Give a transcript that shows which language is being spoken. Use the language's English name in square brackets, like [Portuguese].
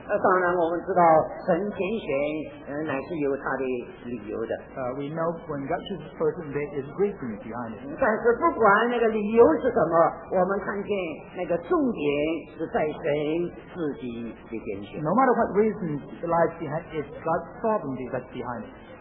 [Chinese] 当然我们知道神拣选, 乃是有他的理由的。 [English] We know when God chooses a person, there is great reason behind it. [Chinese] 但是不管那个理由是什么, 我们看见那个重点是在神自己的拣选。 [English] No matter what reason lies behind it, it's God's sovereignty that's behind it.